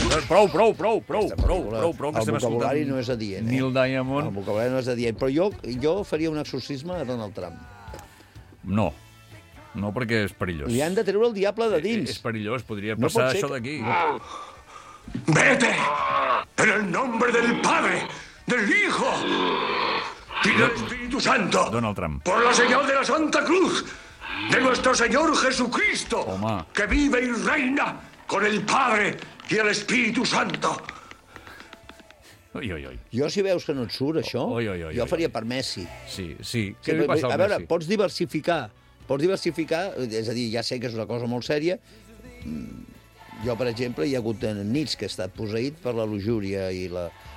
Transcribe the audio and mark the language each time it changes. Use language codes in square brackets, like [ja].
[ca] Prou, que estem escoltant... El vocabulari no és adient, eh? Neil Diamond. El vocabulari no és adient. Però jo faria un exorcisme a Donald Trump. No. No, perquè és perillós. Li han de treure el diable de dins. És perillós, podria passar això d'aquí. [es] Vete! En el nombre del Padre, del Hijo y del Espíritu Santo. Donald Trump. Por la señal de la Santa Cruz de nuestro Señor Jesucristo. [ca] Home. [es] Que vive y reina con el Padre y el Espíritu Santo. Oi, oi, oi. [ca] Jo, si veus que no et surt, això, oi, oi, oi, jo faria per Messi. Sí, sí. Què li passa al Messi? A veure, pots diversificar. Pots diversificar, és a dir, ja sé que és una cosa molt sèria. Jo, per exemple, hi ha hagut nits que he estat posseït per la lujúria i la...